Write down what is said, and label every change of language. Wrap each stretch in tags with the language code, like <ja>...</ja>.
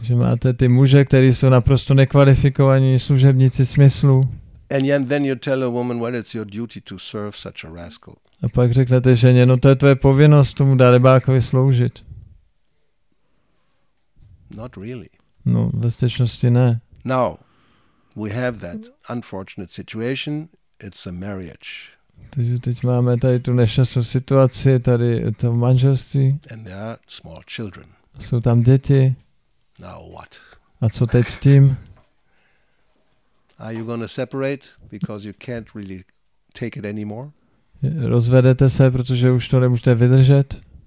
<cs>Že máte ty muže, kteří jsou naprosto nekvalifikovaní služebníci smyslu.</cs> <en>And then you tell a woman, well, it's your duty to serve such a rascal.</en> <cs>A pak řeknete ženě, no to je tvoje povinnost tomu darebákovi sloužit.</cs> <en>Not really.</en> <cs>No, ve skutečnosti ne.</cs> <en>Now, we have that unfortunate situation. It's a marriage.</en> <cs>Takže teď máme tady tu nešťastnou situaci, tady to manželství.</cs> <en>And there are small children.</en> <cs>Jsou tam děti.</cs> <en>Now what?</en> <cs>A co teď s tím?</cs> <en>Are you going to separate because you can't really take it anymore?</en> <cs>Rozvedete se, protože už to nemůžete vydržet?</cs>